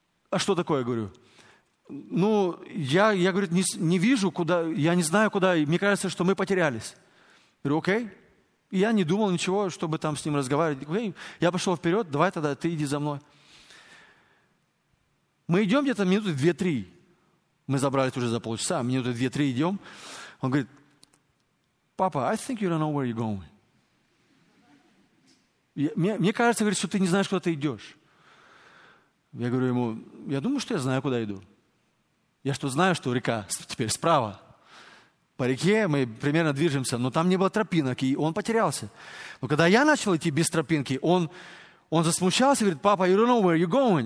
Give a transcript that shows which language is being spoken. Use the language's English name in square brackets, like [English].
[Russian] А что такое, говорю? Я не вижу, куда, я не знаю, куда, мне кажется, что мы потерялись. Говорю, окей. И я не думал ничего, чтобы там с ним разговаривать. Окей, я пошел вперед, давай тогда ты иди за мной. Мы идем где-то минуты 2-3. Мы забрались уже за полчаса, минуты 2-3 идем. Он говорит, папа, [English] I think you don't know where you're going. [Russian] Мне кажется, говорит, что ты не знаешь, куда ты идешь. Я говорю ему, я думаю, что я знаю, куда иду. Я что, знаю, что река теперь справа? По реке мы примерно движемся, но там не было тропинок, и он потерялся. Но когда я начал идти без тропинки, он засмущался, говорит, папа, [English] you don't know where you're going.